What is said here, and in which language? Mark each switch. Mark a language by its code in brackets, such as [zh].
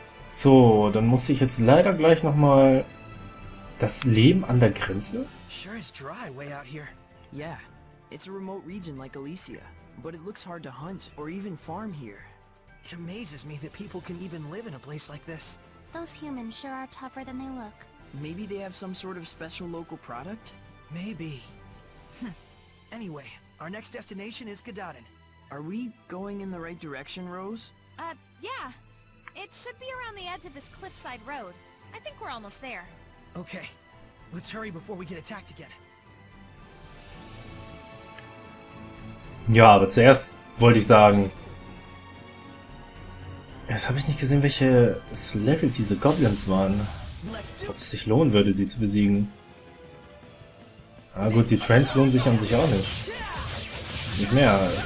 [de] So, dann muss ich jetzt leider gleich nochmal. Das Leben an der Grenze? [en] Sure is dry way out here. Yeah, it's a remote region like Alicia, but it looks hard to hunt or even farm here. It amazes me that people can even live in a place like this. Those humans sure are tougher than they look. Maybe they have some sort of special local product? Maybe. Anyway, our next destination is Gadadin. Are we going in the right direction, Rose? Yeah. It should be around the edge of this cliffside road. I think we're almost there. Okay, let's hurry before we get attacked again. [de] Ja, aber zuerst wollte ich sagen. Jetzt habe ich nicht gesehen, welche Level diese Goblins waren. Ob es sich lohnen würde, sie zu besiegen. Ah gut, die Trends lohnen sich an sich auch nicht. Nicht mehr.